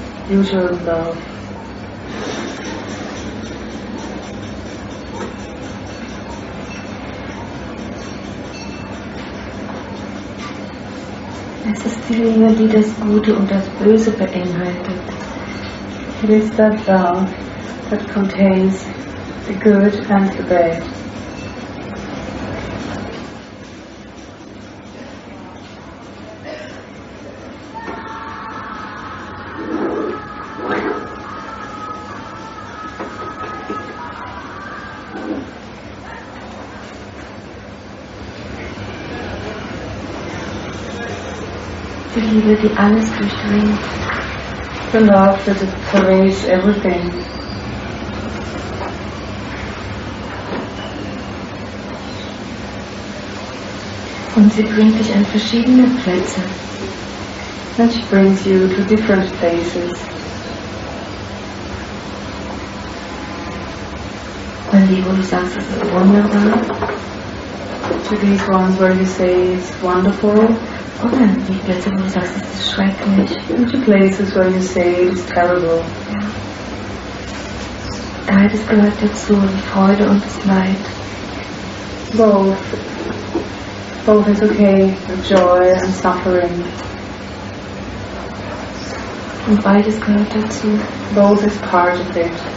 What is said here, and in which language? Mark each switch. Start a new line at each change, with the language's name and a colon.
English: Usual love.
German: Es ist die Liebe, die das Gute und das Böse beinhaltet.
English: It is that love that contains the good and the bad.
German: Die alles durchdringt.
English: The love that pervades everything.
German: Und sie bringt dich an verschiedene Plätze.
English: And she brings you to different places.
German: Mein Lieber, du sagst, es ist wunderbar.
English: To these ones where you say it's wonderful.
German: Und dann die Plätze, wo du sagst, es ist schrecklich.
English: And to places where you say it's terrible.
German: Ja. Beides gehört dazu, die Freude und das Leid.
English: Both is okay, the joy and suffering.
German: Und beides gehört dazu.
English: Both is part of it.